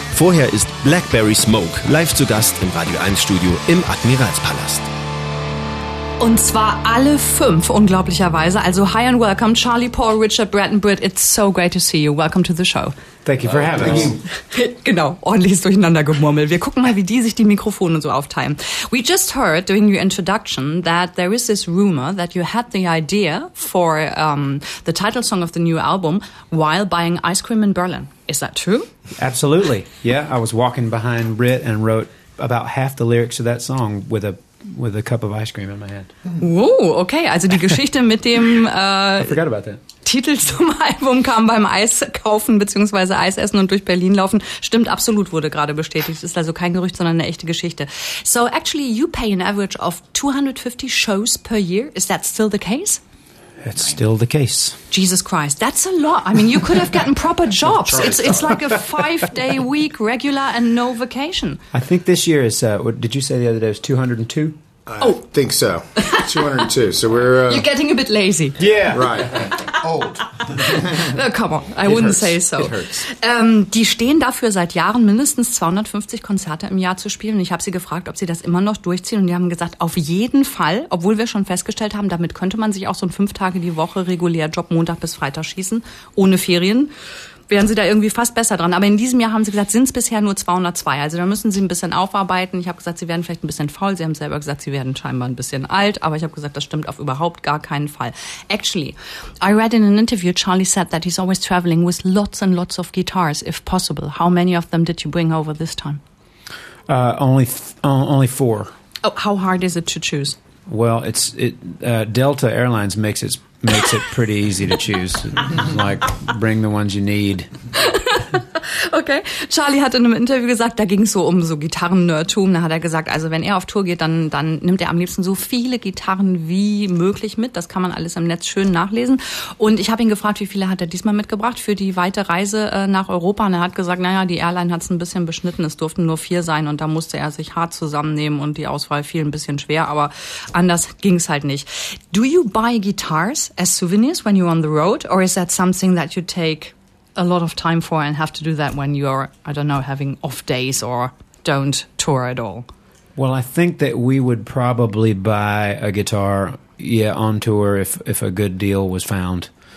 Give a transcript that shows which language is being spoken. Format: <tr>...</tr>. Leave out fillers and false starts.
<de>Vorher ist Blackberry Smoke live zu Gast im Radio 1 Studio im Admiralspalast. Und zwar alle 5, unglaublicherweise. Also</de> <en>hi and welcome,</en> <de>Charlie, Paul, Richard, Brad and Britt.</de> <en>It's so great to see you. Welcome to the show. Thank you for having us.</en> <de>Genau, ordentliches Durcheinandergemurmel. Wir gucken mal, wie die sich die Mikrofone so aufteilen.</de> <en>We just heard during your introduction that there is this rumor that you had the idea for the title song of the new album while buying ice cream in Berlin. Is that true? Absolutely. Yeah, I was walking behind Britt and wrote about half the lyrics of that song with a cup of ice cream in my hand. Oh, okay.</en> <de>Also die Geschichte mit dem Titel zum Album kam beim Eiskaufen bzw. Eisessen und durch Berlin laufen. Stimmt absolut, wurde gerade bestätigt. Ist also kein Gerücht, sondern eine echte Geschichte.</de> <en>So actually you pay an average of 250 shows per year. Is that still the case? It's still the case. Jesus Christ, that's a lot. I mean, you could have gotten proper jobs. It's like a 5-day week, regular and no vacation. I think this year is, what did you say the other day, it was 202? Think so. 202, so we're... You're getting a bit lazy. Yeah. Right. Old. Come on, I wouldn't say so. It hurts.</en> <de>Die stehen dafür seit Jahren mindestens 250 Konzerte im Jahr zu spielen. Ich habe sie gefragt, ob sie das immer noch durchziehen. Und die haben gesagt, auf jeden Fall, obwohl wir schon festgestellt haben, damit könnte man sich auch so 5 Tage die Woche regulär Job Montag bis Freitag schießen, ohne Ferien. Wären Sie da irgendwie fast besser dran. Aber in diesem Jahr haben Sie gesagt, sind es bisher nur 202. Also da müssen Sie ein bisschen aufarbeiten. Ich habe gesagt, Sie werden vielleicht ein bisschen faul. Sie haben selber gesagt, Sie werden scheinbar ein bisschen alt. Aber ich habe gesagt, das stimmt auf überhaupt gar keinen Fall.</de> <en>Actually, I read in an interview, Charlie said that he's always traveling with lots and lots of guitars, if possible. How many of them did you bring over this time? Only 4. Oh, how hard is it to choose? Well, Delta Airlines makes it pretty easy to choose. Like, bring the ones you need. Okay.</en> <de>Charlie hat in einem Interview gesagt, da ging es so um so Gitarren-Nerdtum. Da hat er gesagt, also wenn er auf Tour geht, dann nimmt er am liebsten so viele Gitarren wie möglich mit. Das kann man alles im Netz schön nachlesen. Und ich habe ihn gefragt, wie viele hat er diesmal mitgebracht für die weite Reise nach Europa. Und er hat gesagt, naja, die Airline hat es ein bisschen beschnitten. Es durften nur 4 sein und da musste er sich hart zusammennehmen und die Auswahl fiel ein bisschen schwer. Aber anders ging es halt nicht.</de> <en>Do you buy guitars as souvenirs when you're on the road? Or is that something that you take a lot of time for and have to do that when you're, I don't know, having off days or don't tour at all? Well, I think that we would probably buy a guitar, yeah, on tour if a good deal was found.</en>